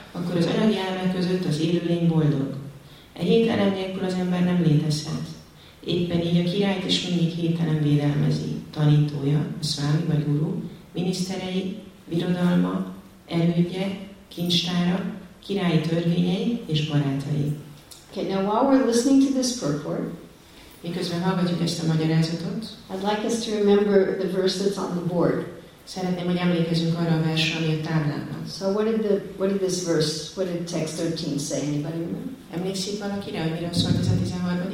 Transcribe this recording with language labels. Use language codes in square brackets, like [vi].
[hu] akkor az anyagi elmek között az élőlény boldog. E hét elem nélkül az ember nem létezhet. Éppen így a királyt is mindig hét elem védelmezi, tanítója, a szvámi vagy guru, miniszterei, birodalma, elődje, kincstára, királyi törvényei és barátai. [en] Okay, now while we're listening to this purport, [hu] miközben hallgatjuk ezt a magyarázatot, [en] I'd like us to remember the verse that's on the board. [hu] Szeretném, hogy emlékezzünk arra a versre, ami a táblán van. [en] So what did this verse, what did text 13 say? Anybody remember? [hu] Emlékszik valakire, hogy miről szólt ez a 13.